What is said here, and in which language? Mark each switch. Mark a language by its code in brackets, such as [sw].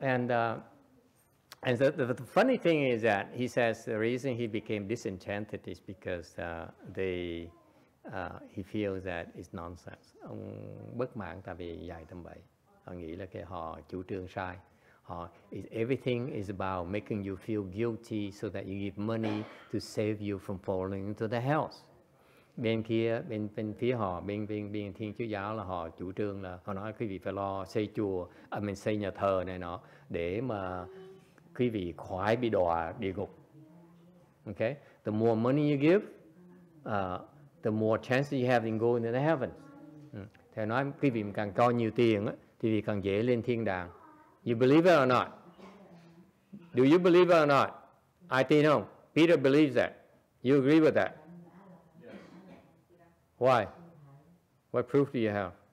[en] And the funny thing is that he says the reason he became disenchanted is because he feels that it's nonsense. [vi] Ông bất mãn tại vì dạy tâm bậy. Họ nghĩ là cái họ chủ trương sai. Họ [en] everything is about making you feel guilty so that you give money to save you from falling into the hells. [vi] Bên kia, bên phía họ, bên Thiên Chúa giáo là họ chủ trương là họ nói quý vị phải lo xây chùa, mình xây nhà thờ này nọ để mà quý vị khỏi bị đọa địa ngục. [en] Okay? The more money you give, the more chance you have in going into heaven. [vi] Thì nói quý vị càng cho nhiều tiền á, thì vị càng dễ lên thiên đàng. [en] You believe it or not? Do you believe it or not? I think no. Peter believes that. You agree with that? Why? What proof do you have?